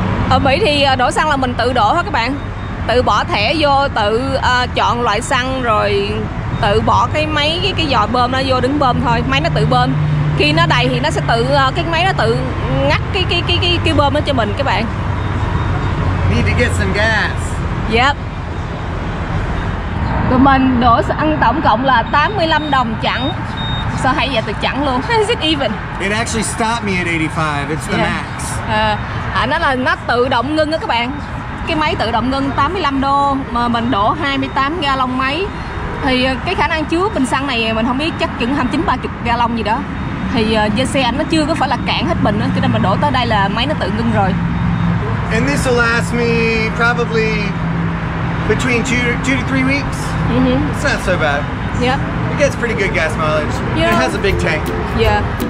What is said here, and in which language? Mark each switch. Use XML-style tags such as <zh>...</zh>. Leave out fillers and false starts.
<vi>Ở Mỹ thì đổ xăng là mình tự đổ hết các bạn. Tự bỏ thẻ vô, tự chọn loại xăng rồi tự bỏ cái máy, cái giò bơm nó vô đứng bơm thôi. Máy nó tự bơm. Khi nó đầy thì nó sẽ tự, cái máy nó tự ngắt cái bơm nó cho mình các bạn.</vi> <en>Need to get some gas. Yep.</en> <vi>Tụi mình đổ xăng tổng cộng là 85 đồng chẵn. Sao hay vậy, từ chẵn luôn.</vi> <en>Is it even? It actually stopped me at 85, it's the max.</en> <vi>Nó là nó tự động ngưng đó các bạn. Cái máy tự động ngưng 85 đô mà mình đổ 28 gallon máy. Thì cái khả năng chứa bình xăng này mình không biết, chắc chừng 29-30 gallon gì đó. Thì do xe anh nó chưa có phải là cạn hết bình đó, cho nên mình đổ tới đây là máy nó tự ngưng rồi.</vi> <en>And this will last me probably between 2-3 weeks. It's not so bad. Yeah. It gets pretty good gas mileage. Yeah. It has a big tank. Yeah.</en>